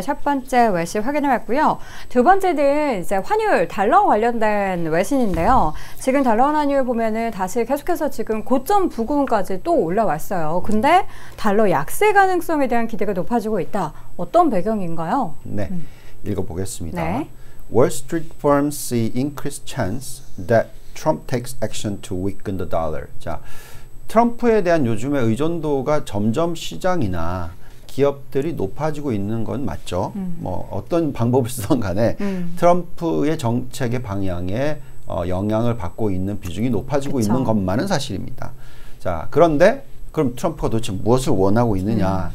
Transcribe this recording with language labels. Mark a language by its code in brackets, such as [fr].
[ko] 첫 번째 외신 확인해봤고요. 두 번째는 이제 환율, 달러 관련된 외신인데요. 지금 달러 환율 보면은 다시 계속해서 지금 고점 부근까지 또 올라왔어요. 근데 달러 약세 가능성에 대한 기대가 높아지고 있다. 어떤 배경인가요? 네, 읽어보겠습니다. 네. [en] Wall Street firms see increased chance that Trump takes action to weaken the dollar. [ko] 자, 트럼프에 대한 요즘의 의존도가 점점 시장이나 기업들이 높아지고 있는 건 맞죠. 뭐 어떤 방법을 쓰던 간에 트럼프의 정책의 방향에 영향을 받고 있는 비중이 높아지고 그쵸. 있는 것만은 사실입니다. 자, 그런데 그럼 트럼프가 도대체 무엇을 원하고 있느냐.